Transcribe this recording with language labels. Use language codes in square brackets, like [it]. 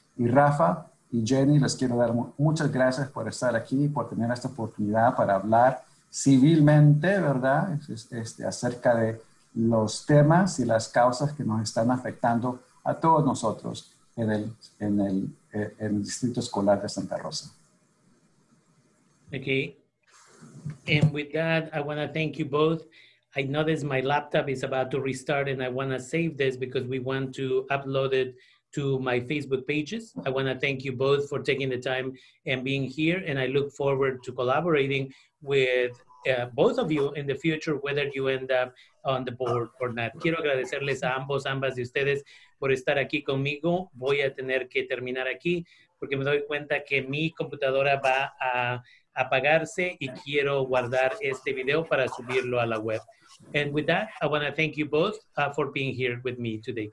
[es] Y Rafa y Jenny, les quiero dar muchas gracias por estar aquí y por tener esta oportunidad para hablar civilmente, ¿verdad? Acerca de los temas y las causas que nos están afectando a todos nosotros en el Distrito Escolar de Santa Rosa. [en] Okay, and with that, I want to thank you both. I noticed my laptop is about to restart and I want to save this because we want to upload it to my Facebook pages. I want to thank you both for taking the time and being here, and I look forward to collaborating with both of you in the future, whether you end up on the board or not. [es] Quiero agradecerles a ambas de ustedes por estar aquí conmigo. Voy a tener que terminar aquí porque me doy cuenta que mi computadora va a apagarse y quiero guardar este video para subirlo a la web. [en] And with that, I want to thank you both for being here with me today.